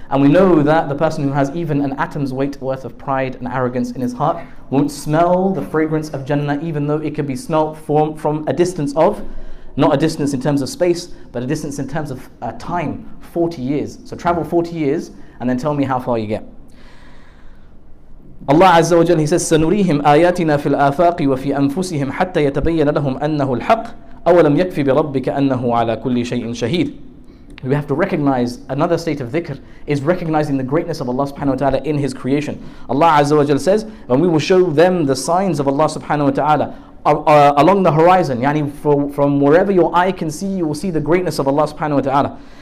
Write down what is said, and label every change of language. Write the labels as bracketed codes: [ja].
[en] And we know that the person who has even an atom's weight worth of pride and arrogance in his heart won't smell the fragrance of Jannah, even though it can be smelled from a distance of, not a distance in terms of space, but a distance in terms of time, 40 years. So travel 40 years and then tell me how far you get. [ar] Allah Azza wa Jalla, he says, سَنُرِيهِمْ آيَاتِنَا فِي الْآفَاقِ وَفِي أَنفُسِهِمْ حَتَّى يَتَبَيَّنَ لَهُمْ أَنَّهُ الْحَقِّ أَوَلَمْ يَكْفِ بِرَبِّكَ أَنَّهُ عَلَى كُلِّ شَيْءٍ شَهِيدٍ. [en] We have to recognize another state of dhikr is recognizing the greatness of Allah subhanahu wa ta'ala in His creation. Allah Azza wa Jalla says, and we will show them the signs of Allah subhanahu wa ta'ala along the horizon, yani from wherever your eye can see, you will see the greatness of Allah subhanahu wa ta'ala.